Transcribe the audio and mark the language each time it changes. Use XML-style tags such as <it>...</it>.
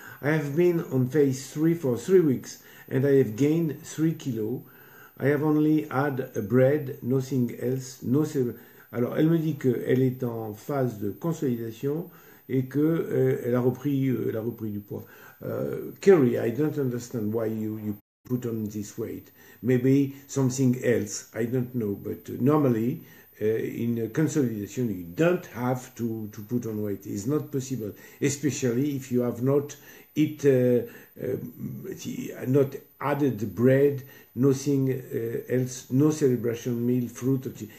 <en>I have been on phase 3 for 3 weeks and I have gained 3 kilos. I have only had a bread, nothing else. No.</en> <fr>Alors, elle me dit qu'elle est en phase de consolidation et qu'elle a repris du poids.</fr> <en>Kerry, I don't understand why you put on this weight. Maybe something else, I don't know. But normally, in a consolidation, you don't have to put on weight. It's not possible, especially if you have not eat, not added bread, nothing else, no celebration meal, fruit, or cheese.</en>